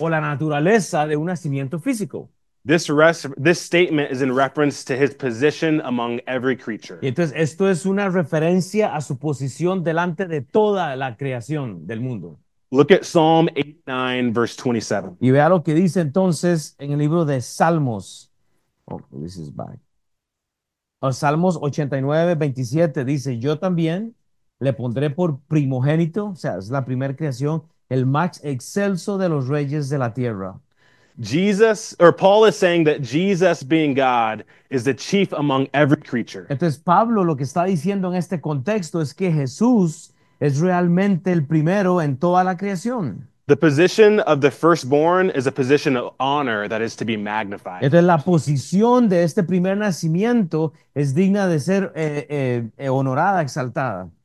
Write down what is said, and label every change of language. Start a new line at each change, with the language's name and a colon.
Spanish: la naturaleza de un nacimiento físico.
English: This statement is in reference to his position among every
Spanish: Y
English: creature.
Spanish: entonces esto es una referencia a su posición delante de toda la creación del mundo.
English: Look at Psalm 89, verse 27.
Spanish: Y vea lo que dice entonces en el libro de Salmos.
English: Oh, this is back.
Spanish: O Salmos 89, 27 dice: yo también le pondré por primogénito, o sea, es la primera creación, el más excelso de los reyes de la tierra.
English: Jesus, or Paul is saying that Jesus being God is the chief among every creature.
Spanish: Entonces, Pablo lo que está diciendo en este contexto es que Jesús es realmente el primero en toda la creación.
English: The position of the firstborn is a position of honor that is to be magnified.
Spanish: Entonces, la posición de este primer nacimiento es digna de ser honorada, exaltada.